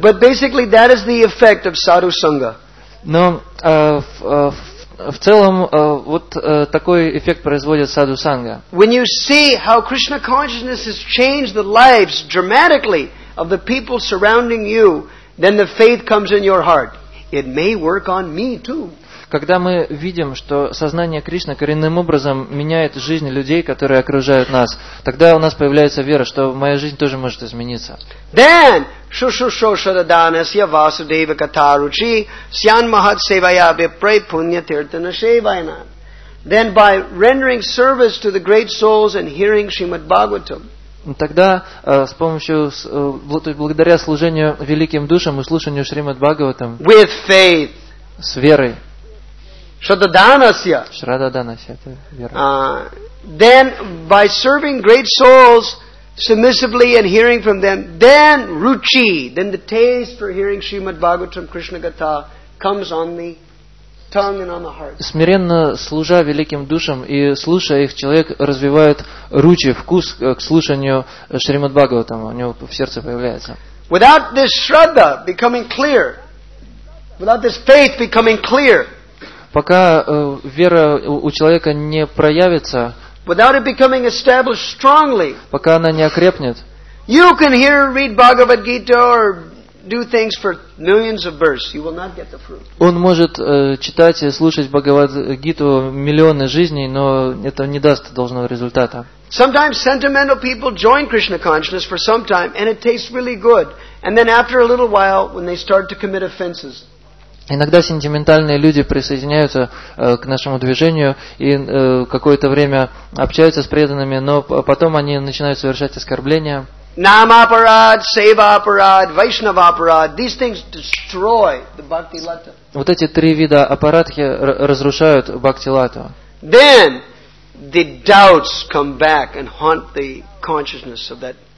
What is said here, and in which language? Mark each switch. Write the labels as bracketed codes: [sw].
[en] But basically that is the effect of sadhu sangha. [ru] Но в целом вот такой эффект производит sadhu sangha. [en] When you see how Krishna consciousness has changed the lives dramatically of the people surrounding you, then the faith comes in your heart. It may work on me too. [ru] Когда мы видим, что сознание Кришны коренным образом меняет жизнь людей, которые окружают нас, тогда у нас появляется вера, что моя жизнь тоже может измениться. [sa] Then, shushushoshadanasya vasudeva katharuchi syan mahat sevaya vipray punya tirtana shevayana. [en] Then by rendering service to the great souls and hearing Srimad Bhagavatam, [ru] тогда с помощью, то есть благодаря служению великим душам и слушанию Шримад Бхагаватам, [en] with faith, [ru] с верой, [sa] Шрададанасья, [ru] Шрададанасья, это вера. [en] Then by serving great souls submissively and hearing from them, then ruchi, then the taste for hearing Shrimad Bhagavatam Krishna Gatha comes on the tongue and on the heart. [ru] Смиренно служа великим душам и слушая их, человек развивает ручи, вкус к слушанию Шримад Бхагаватам, у него в сердце появляется. [en] Without this shraddha becoming clear, without this faith becoming clear, [ru] пока вера у человека не проявится, [en] without it becoming established strongly, [ru] пока она не окрепнет, [en] you can hear, read Bhagavad Gita or do things for millions of births, you will not get the fruit. [ru] Он может читать и слушать Бхагавад Гиту миллионы жизней, но это не даст должного результата. [en] Sometimes sentimental people join Krishna consciousness for some time and it tastes really good, and then after a little while when they start to commit offenses. [ru] Иногда сентиментальные люди присоединяются к нашему движению и какое-то время общаются с преданными, но потом они начинают совершать оскорбления. [sa] Нам-апарад, сева-апарад, вайшнава-апарад. [en] These things destroy the bhakti-lata. [ru] Вот эти три вида апарадхи разрушают бхакти-лату. [en] Then, the doubts come back and haunt the consciousness of that.